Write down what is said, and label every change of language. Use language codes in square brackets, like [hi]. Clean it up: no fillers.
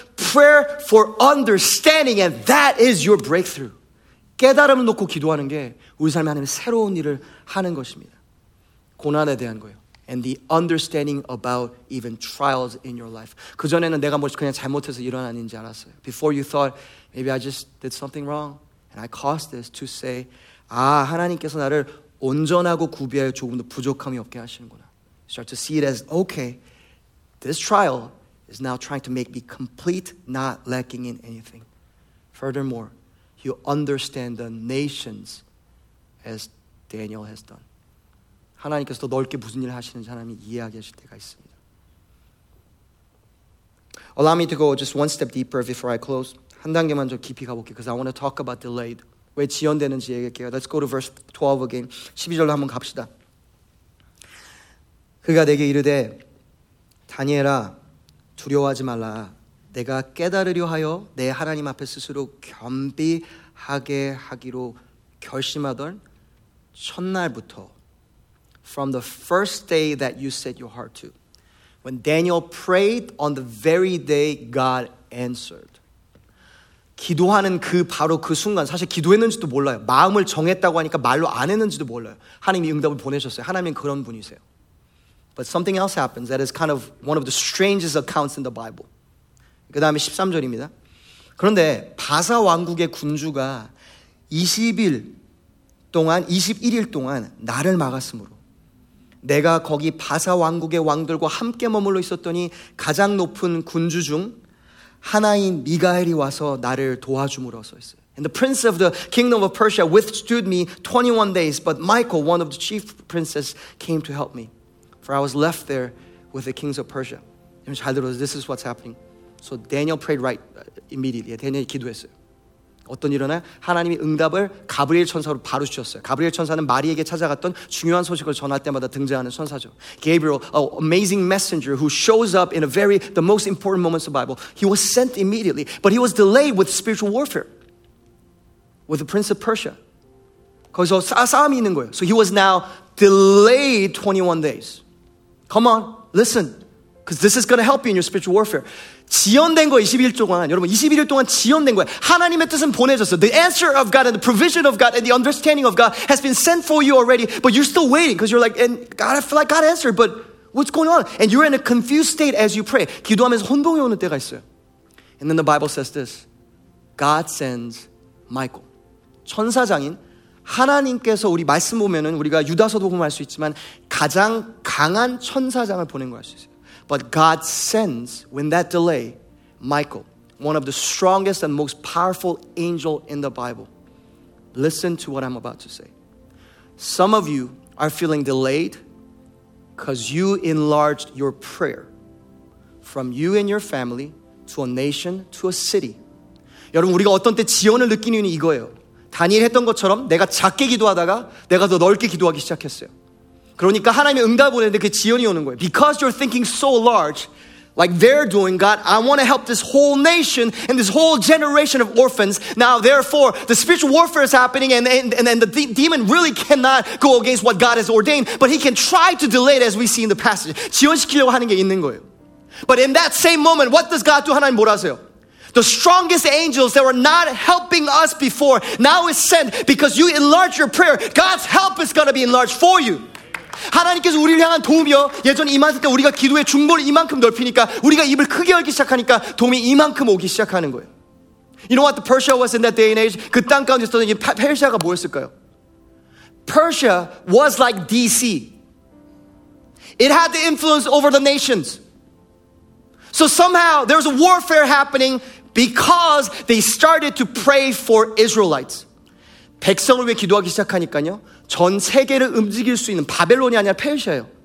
[en] Prayer for understanding, and that is your breakthrough. [ko] 깨달음을 놓고 기도하는 게 우리 삶에 하나님의 새로운 일을 하는 것입니다. 고난에 대한 거예요. [en] And the understanding about even trials in your life. [ko] 그전에는 내가 뭐 그냥 잘못해서 일어난인지 알았어요. [en] Before you thought, maybe I just did something wrong, and I caused this to say, [ko] 아, 하나님께서 나를 온전하고 구비하여 조금 더 부족함이 없게 하시는구나. [en] Start to see it as, okay, this trial is now trying to make me complete, not lacking in anything. Furthermore, you understand the nations as Daniel has done. [ko] 하나님께서 더 넓게 무슨 일을 하시는지 하나님이 이해하게 하실 때가 있습니다. [en] Allow me to go just one step deeper before I close. [ko] 한 단계만 좀 깊이 가볼게요. [en] Because I want to talk about delayed. [ko] 왜 지연되는지 얘기할게요. [en] Let's go to verse 12 again. [ko] 12절로 한번 갑시다. 그가 내게 이르되 다니엘아 두려워하지 말라 내가 깨달으려 하여 내 하나님 앞에 스스로 겸비하게 하기로 결심하던 첫날부터 [en] From the first day that you set your heart to When Daniel prayed on the very day God answered [ko] 기도하는 그 바로 그 순간 사실 기도했는지도 몰라요 마음을 정했다고 하니까 말로 안 했는지도 몰라요 하나님이 응답을 보내셨어요 하나님은 그런 분이세요 [en] But something else happens that is kind of one of the strangest accounts in the Bible. [ko] 그 다음에 13절입니다. 그런데 바사 왕국의 군주가 21일 동안 나를 막았으므로 내가 거기 바사 왕국의 왕들과 함께 머물러 있었더니 가장 높은 군주 중 하나인 미가엘이 와서 나를 도와주므로 서 있어요. [en] And the prince of the kingdom of Persia withstood me 21 days, but Michael, one of the chief princes, came to help me. For I was left there with the kings of Persia. This is what's happening. So Daniel prayed right immediately. Daniel [ko] 기도했어요. 어떤 일이 일어나요? 하나님이 응답을 가브리엘 천사로 바로 주셨어요. 가브리엘 천사는 마리에게 찾아갔던 중요한 소식을 전할 때마다 등장하는 천사죠. [en] Gabriel, an amazing messenger who shows up in the most important moments of the Bible. He was sent immediately, but he was delayed with spiritual warfare with the prince of Persia. [ko] 거기서 싸움이 있는 거예요. [en] So he was now delayed 21 days. Come on, listen. Because this is going to help you in your spiritual warfare. [ko] 지연된 거 21일 동안. 여러분, 21일 동안 지연된 거예요. 하나님의 뜻은 보내졌어. [en] The answer of God and the provision of God and the understanding of God has been sent for you already, but you're still waiting because you're like, and God, I feel like God answered, but what's going on? And you're in a confused state as you pray. [ko] 기도하면서 혼동이 오는 때가 있어요. [en] And then the Bible says this. God sends Michael. [ko] 천사장인. 하나님께서 우리 말씀 보면은 우리가 유다서도 보면 알 수 있지만 가장 강한 천사장을 보낸 걸 알 수 있어요. [en] But God sends, when that delay, Michael, one of the strongest and most powerful angel in the Bible. Listen to what I'm about to say. Some of you are feeling delayed because you enlarged your prayer from you and your family to a nation, to a city. [ko] 여러분 우리가 어떤 때 지연을 느끼는 이유는 이거예요. 다니엘 했던 것처럼 내가 작게 기도하다가 내가 더 넓게 기도하기 시작했어요. 그러니까 하나님이 응답을 보냈는데 그 지연이 오는 거예요. [en] Because you're thinking so large, like they're doing, God, I want to help this whole nation and this whole generation of orphans. Now, therefore, the spiritual warfare is happening and the demon really cannot go against what God has ordained, but he can try to delay it as we see in the passage. [ko] 지연시키려고 하는 게 있는 거예요. [en] But in that same moment, what does God do? [ko] 하나님 뭘 하세요? [en] The strongest angels that were not helping us before now is sent because you enlarge your prayer. God's help is going to be enlarged for you. [ko] 하나님께서 우리를 향한 도움이요. 예전 이만했을 때 우리가 기도의 중보를 이만큼 넓히니까 우리가 입을 크게 열기 시작하니까 도움이 이만큼 오기 시작하는 거예요. [en] You know what the Persia was in that day and age? [ko] 그 땅 가운데 있었던 이 페르시아가 뭐였을까요? [en] Persia was like DC. It had the influence over the nations. So somehow there was a warfare happening because they started to pray for Israelites. [ko] 백성을 위해 기도하기 시작하니까요. 전 세계를 움직일 수 있는 바벨론이 아니라 페르시아예요.